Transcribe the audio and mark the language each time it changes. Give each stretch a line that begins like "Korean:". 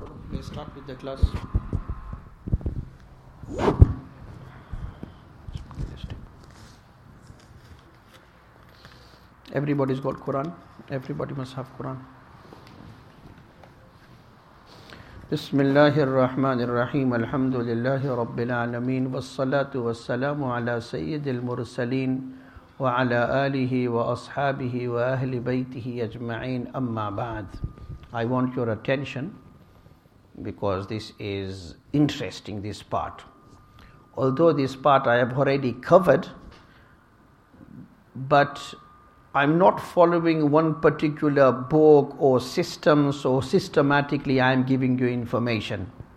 English: Let's start with the class. Everybody's got Quran. Everybody must have Quran.
Arabic: بسم الله الرحمن الرحيم الحمد لله رب العالمين والصلاة والسلام على سيد المرسلين وعلى آله وأصحابه وأهل بيته أجمعين أما بعد.
English: I want your attention because this is interesting, this part. Although this part I have already covered, but I'm not following one particular book or system, so systematically I'm giving you information.